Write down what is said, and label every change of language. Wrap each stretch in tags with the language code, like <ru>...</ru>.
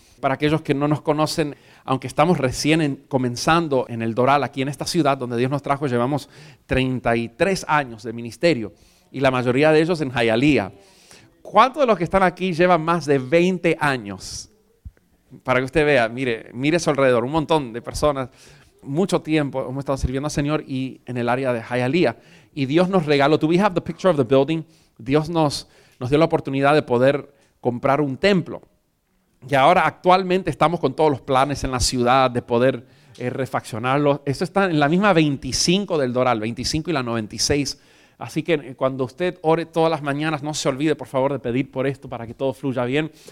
<es>Para aquellos que no nos conocen, aunque estamos recién comenzando en el Doral, aquí en esta ciudad donde Dios nos trajo, llevamos 33 años de ministerio y la mayoría de ellos en Hialeah. ¿Cuántos de los que están aquí llevan más de 20 años? Para que usted vea, mire a su alrededor, un montón de personas. Mucho tiempo hemos estado sirviendo al Señor y en el área de Hialeah. Y Dios nos regaló,</es> <en>do we have the picture of the building?</en> <es>Dios nos dio la oportunidad de poder comprar un templo. Y ahora actualmente estamos con todos los planes en la ciudad de poder refaccionarlo. Esto está en la misma 25 del Doral, 25 y la 96. Así que cuando usted ore todas las mañanas, no se olvide por favor de pedir por esto para que todo fluya bien.</es>